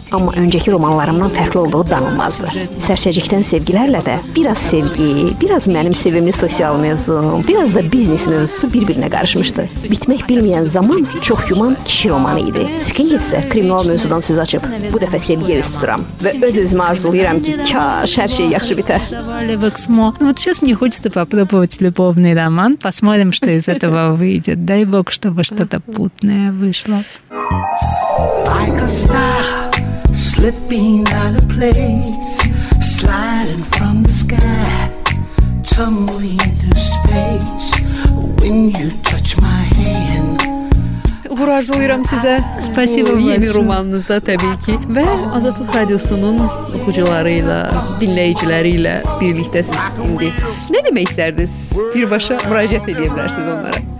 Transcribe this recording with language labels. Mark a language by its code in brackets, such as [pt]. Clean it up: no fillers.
[az] Amma önceki romanlarımdan fərqli olduğu danılmazdır. Sərçəcikdən sevgilərlə də biraz sevgi, biraz mənim sevimli sosial mövzum, biraz da biznes mövzusu bir-birinə qarışmışdı. Bitmək bilməyən zaman çox yuman kişi romanı idi. Skinhead isə kriminal mövzudan söz açıb. Bu dəfə sevgi üstürəm və öz-özümə arzulayıram ki, kaş hər şey yaxşı bitə. [ru] Ну вот сейчас мне хочется попробовать любовный роман. Посмотрим, что из этого выйдет. Дай бог, чтобы что-то путное вышло. [en] Like a star, slipping out of place, sliding from the sky, tumbling through space, when you touch my hand. [az] Uğur arzulayıram sizə. [ru] Spasibo, [az] yeni romanınızda təbii ki. Və Azadlıq Radiosunun oxucuları ilə, dinləyiciləri ilə birliktəsiniz indi. Nə demək istərdiniz? Birbaşa müraciət edə bilərsiniz onlara.